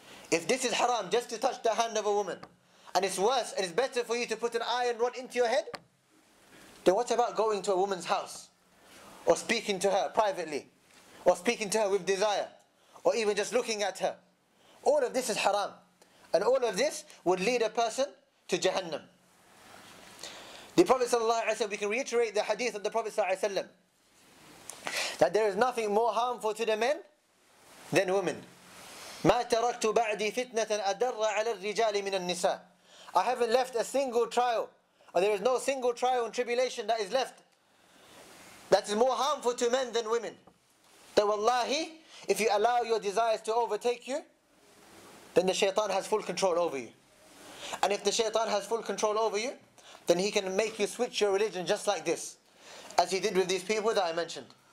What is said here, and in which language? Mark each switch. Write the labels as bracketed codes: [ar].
[en] If this is haram, just to touch the hand of a woman, and it's worse and it's better for you to put an iron rod into your head, then what about going to a woman's house or speaking to her privately or speaking to her with desire or even just looking at her? All of this is haram, and all of this would lead a person to Jahannam. The Prophet sallallahu alaihi wasallam, we can reiterate the hadith of the Prophet sallallahu alaihi wasallam, that there is nothing more harmful to the men than women. [ar] ما تركت بعدي فتنة أدر على الرجال من النساء. [en] I haven't left a single trial, or there is no single trial and tribulation that is left that is more harmful to men than women. That wallahi, if you allow your desires to overtake you, then the shaitan has full control over you. And if the shaitan has full control over you, then he can make you switch your religion just like this, as he did with these people that I mentioned.